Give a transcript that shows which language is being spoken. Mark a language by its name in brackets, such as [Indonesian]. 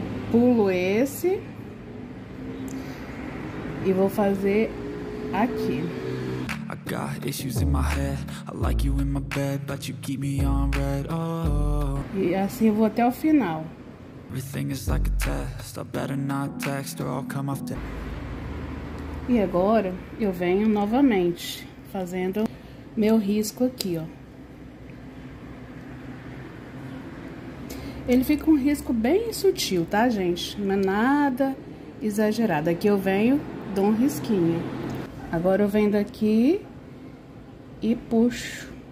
[Portuguese] Pulo esse e vou fazer aqui. [English] I got issues in my head. I like you in my bed, but you keep me on red. Oh. [Portuguese] E assim eu vou até o final. [English] Everything is like a test. I better not text or I'll come off the. [Portuguese] E agora eu venho novamente fazendo meu risco aqui, ó. Ele fica um risco bem sutil, tá, gente? Não é nada exagerado. Aqui eu venho, dou um risquinho. Agora eu venho daqui e puxo.